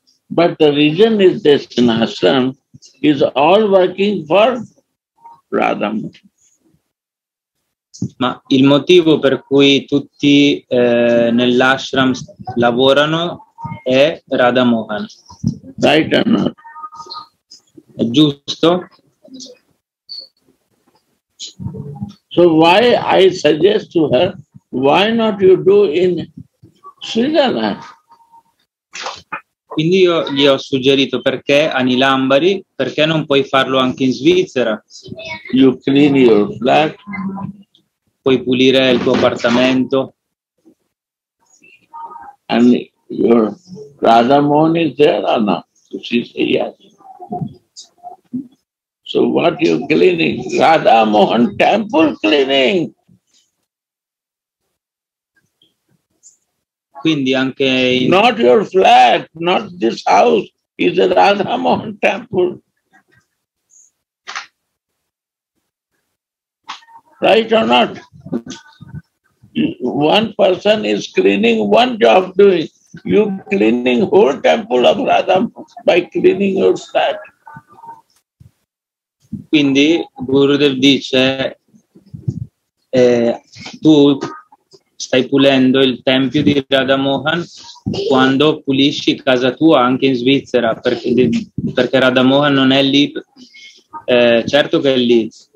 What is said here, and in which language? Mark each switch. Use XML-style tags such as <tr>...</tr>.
<en>But the reason is this, in ashram is all working for Radha.</en> <it>Ma il motivo per cui tutti nell'ashram lavorano è Radha Mohan.</it> <en>Right or not?</en> <it>È giusto?</it> <en>So why I suggest to her, why not you do in Switzerland?</en> <it>Quindi io gli ho suggerito, perché a Nilambari, perché non puoi farlo anche in Svizzera?</it> <en>You clean your flat.</en> <it>Puoi pulire il tuo appartamento.</it> <en>And your Radha Mohan is there or not? She said yes. So what you cleaning? Radha Mohan temple cleaning.</en> <it>Quindi anche in...</it> <en>Not your flat, not this house, is a Radha Mohan temple. Right or not? One person is cleaning, one job doing. You cleaning whole temple of Radha by cleaning your flat.</en> <it>Quindi Gurudev dice, tu stai pulendo il tempio di Radha Mohan quando pulisci casa tua anche in Svizzera, perché Radha Mohan non è lì, certo che è lì.</it>